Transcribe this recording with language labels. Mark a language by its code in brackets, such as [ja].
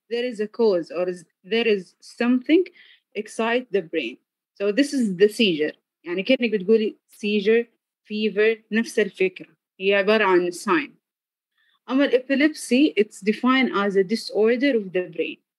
[en] There is a cause or there is something excite the brain. So this is the seizure. [ar] يعني كأنك بتقولي [en] seizure, fever, [ar] نفس الفكرة. هي عبارة عن sign. [en] أما epilepsy, it's defined as a disorder of the brain.